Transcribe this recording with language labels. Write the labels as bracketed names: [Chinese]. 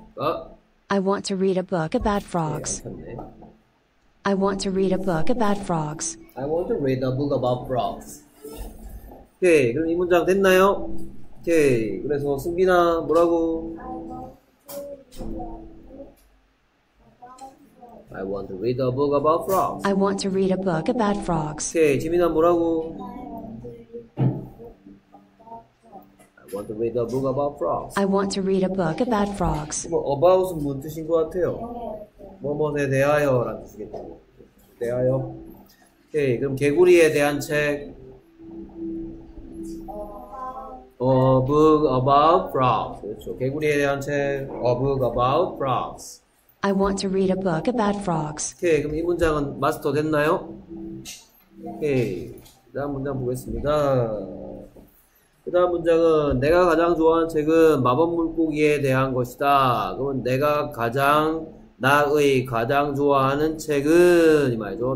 [English] 아? I want to read a book about frogs. [Korean] 네, [English] I want to read a book about frogs. I want to read a book about frogs. [Korean] 오케이, 그럼 이 문장 됐나요? 오케이, 그래서 승빈아 뭐라고? [English] I want to read a book about frogs. I want to read a book about frogs. [Korean] 오케이, 지민아 뭐라고? [English] I want to read a book about frogs. I want to read a book about frogs. [Korean] 뭐 about은 무슨 뜻인 것 같아요? 뭐뭐에 대하여 라는 뜻이겠죠. 대하여. 오케이, 그럼 개구리에 대한 책. [English] A book about frogs. [Korean] 그렇죠. 개구리에 대한 책. [English] A book about frogs. I want to read a book about frogs. [Korean] 오케이, 그럼 이 문장은 마스터 됐나요? 오케이, 그 다음 문장 보겠습니다. 그 다음 문장은 내가 가장 좋아하는 책은 마법 물고기에 대한 것이다. 그러면 내가 가장, 나의 가장 좋아하는 책은, 이 말이죠.